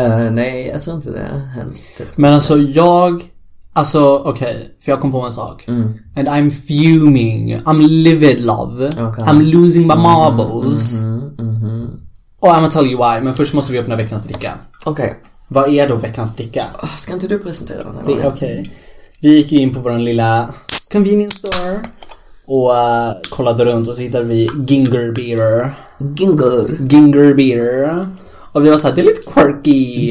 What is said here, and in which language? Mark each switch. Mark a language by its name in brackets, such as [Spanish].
[Swedish] Nej, jag tror inte det hänt, typ. Men alltså jag, alltså okej, för jag kom på en sak. [English] And I'm fuming, I'm livid love, I'm losing my marbles. Oh, I'm gonna tell you why. [Swedish] Men först måste vi öppna veckans dricka. Okej. Vad är då veckans dricka? Ska inte du presentera den? Okej. Vi gick in på vår lilla convenience store och kollade runt och så hittade vi ginger beer. Ginger beer. Och vi var såhär, det är lite quirky.